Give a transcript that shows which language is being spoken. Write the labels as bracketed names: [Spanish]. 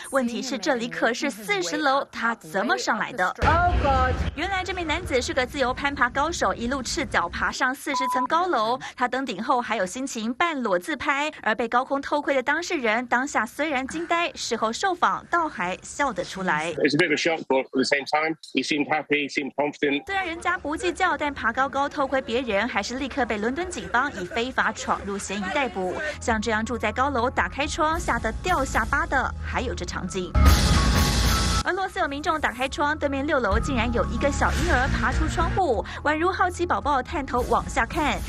[Chinese] 问题是这里可是40楼，他怎么上来的 [English] ？Oh God！ [Chinese] 原来这名男子是个自由攀爬高手，一路赤脚爬上40层高楼。他登顶后还有心情半裸自拍，而被高空偷窥的当事人当下虽然惊。事后受访倒还笑得出来。 [English] It's a bit of a shock, but at the same time, he seemed happy, he seemed confident. [Chinese] 虽然人家不计较，但爬高高偷窥别人，还是立刻被伦敦警方以非法闯入嫌疑逮捕。像这样住在高楼打开窗吓得掉下巴的，还有这场景。俄罗斯有民众打开窗，对面6楼竟然有一个小婴儿爬出窗户，宛如好奇宝宝探头往下看。